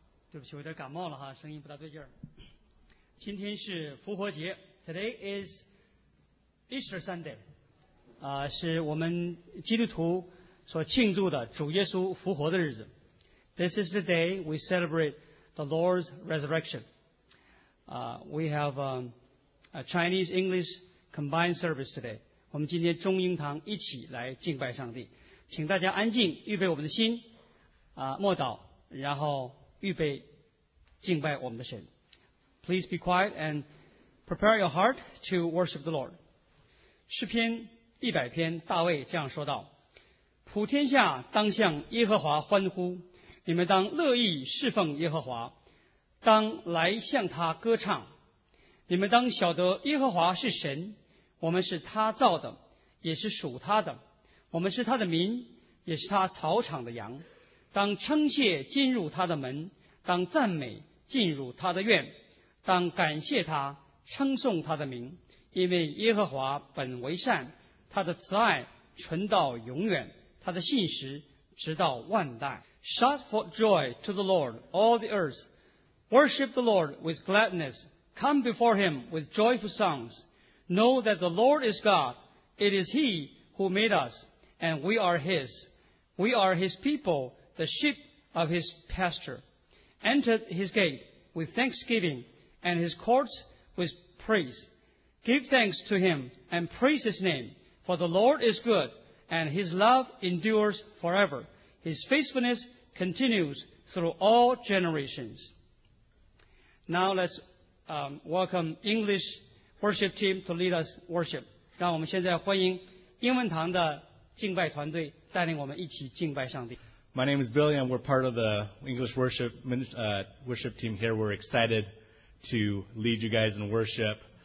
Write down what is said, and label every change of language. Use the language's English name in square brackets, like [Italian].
[Chinese] 对不起，我有点感冒了哈，声音不大对劲儿。今天是复活节 ， [English] Today is Easter Sunday。 [Chinese] 啊，是我们基督徒所庆祝的主耶稣复活的日子。 [English] This is the day we celebrate the Lord's resurrection. We have a Chinese English combined service today. [Chinese] 我们今天中英堂一起来敬拜上帝，请大家安静，预备我们的心，默祷，然后预备敬拜我们的神。 [English] Please be quiet and prepare your heart to worship the Lord. [Chinese] 诗篇一百篇，大卫这样说道：普天下当向耶和华欢呼。你们当乐意侍奉耶和华，当来向他歌唱。你们当晓得耶和华是神，我们是他造的，也是属他的，我们是他的民，也是他草场的羊。当称谢进入他的门，当赞美进入他的院，当感谢他，称颂他的名。因为耶和华本为善，他的慈爱存到永远，他的信实直到万代。 [English] Shout for joy to the Lord, all the earth. Worship the Lord with gladness. Come before him with joyful songs. Know that the Lord is God. It is he who made us, and we are his. We are his people, the sheep of his pasture. Enter his gate with thanksgiving, and his courts with praise. Give thanks to him and praise his name, for the Lord is good, and his love endures forever. His faithfulness continues through all generations. Now let's welcome English worship team to lead us worship. [Chinese] 让我们现在欢迎英文堂的敬拜团队带领我们一起敬拜上帝。 [English] My name is Billy and we're part of the English worship team here. We're excited to lead you guys in worship.